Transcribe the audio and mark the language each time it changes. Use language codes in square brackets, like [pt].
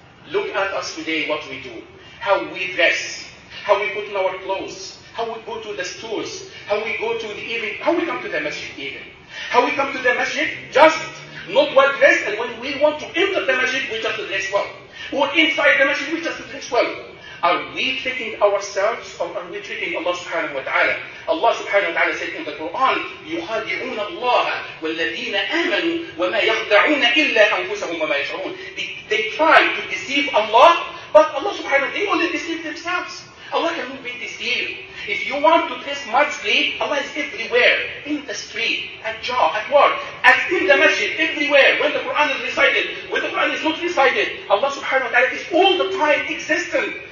[en] Look at us today, what we do. How we dress, how we put on our clothes, how we go to the stores, how we go to the evening, how we come to the masjid even. How we come to the masjid, just not well dressed, and when we want to enter the masjid, we just dress well. Or inside the masjid, we just dress well. Are we treating ourselves, or are we treating Allah subhanahu wa ta'ala? [ar] Allah subhanahu wa ta'ala said in the Quran, يُخَادِعُونَ اللَّهَ وَالَّذِينَ آمَنُوا وَمَا يَخْدَعُونَ إِلَّا أَنْفُسَهُمْ وَمَا يَشْعُرُونَ. [en] They try to deceive Allah, but Allah subhanahu wa ta'ala, they only deceive themselves. Allah cannot be deceived. If you want to dress modestly, Allah is everywhere. In the street, at job, at work, at in the masjid, everywhere. When the Quran is recited, when the Quran is not recited, Allah subhanahu wa ta'ala is all the time existent.